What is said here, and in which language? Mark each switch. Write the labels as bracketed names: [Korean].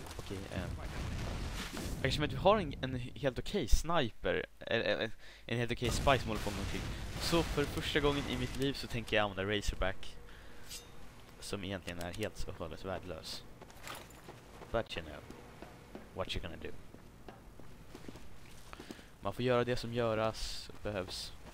[Swedish] Okej. Eftersom att vi har en helt okej sniper. En helt okej spice-mål på någonting. Så för första gången i mitt liv så tänker jag använda Razorback. Som egentligen är helt och hållet värdelös. [English] But you know what you're gonna do. [Swedish] Man får göra det som göras behövs.